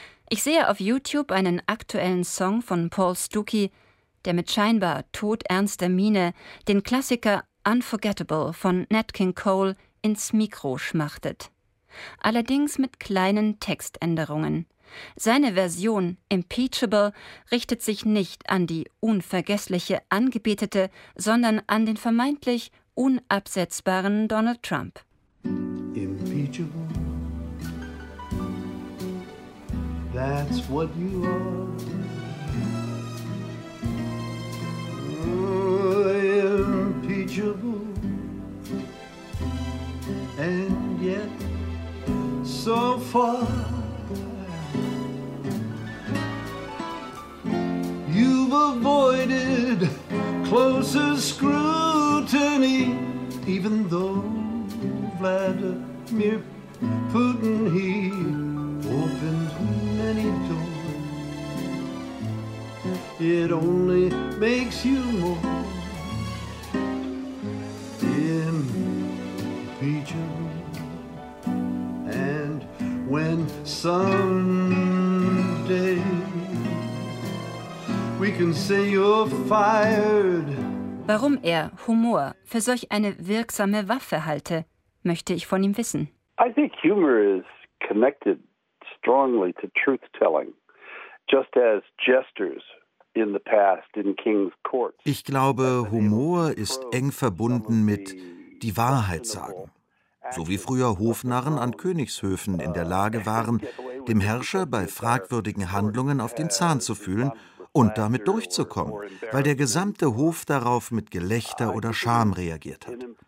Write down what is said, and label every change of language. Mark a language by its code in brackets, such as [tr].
[de] Ich sehe auf YouTube einen aktuellen Song von Paul Stuckey, der mit scheinbar todernster Miene den Klassiker Unforgettable von Nat King Cole ins Mikro schmachtet. Allerdings mit kleinen Textänderungen. Seine Version, Impeachable, richtet sich nicht an die unvergessliche Angebetete, sondern an den vermeintlich unabsetzbaren Donald Trump. [en] Impeachable, that's what you are. Impeachable, and yet so far. Avoided closer scrutiny, even though Vladimir Putin, he opened many doors. It only makes you more impeachable. And when someday we can say you're fired. [de] Warum er Humor für solch eine wirksame Waffe halte, möchte ich von ihm wissen. [en] I think humor is connected strongly to truth-telling, just as gestures in the past in King's courts. [de] Ich glaube, Humor ist eng verbunden mit die Wahrheit sagen. So wie früher Hofnarren an Königshöfen in der Lage waren, dem Herrscher bei fragwürdigen Handlungen auf den Zahn zu fühlen und damit durchzukommen, weil der gesamte Hof darauf mit Gelächter oder Scham reagiert hat.